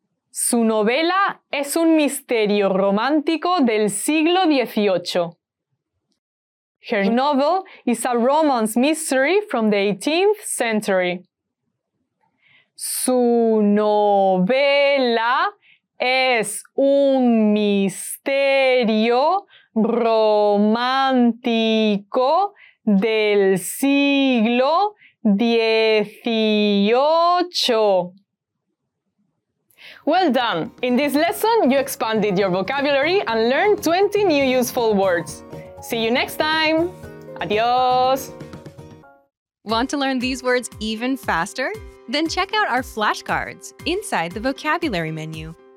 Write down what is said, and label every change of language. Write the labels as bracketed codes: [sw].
[es] Su novela es un misterio romántico del siglo XVIII. [en] Her novel is a romance mystery from the 18th century. [es] Su novela es un misterio romántico del siglo XVIII. [en] Well done! In this lesson, you expanded your vocabulary and learned 20 new useful words. See you next time! Adios! Want to learn these words even faster? Then check out our flashcards inside the vocabulary menu.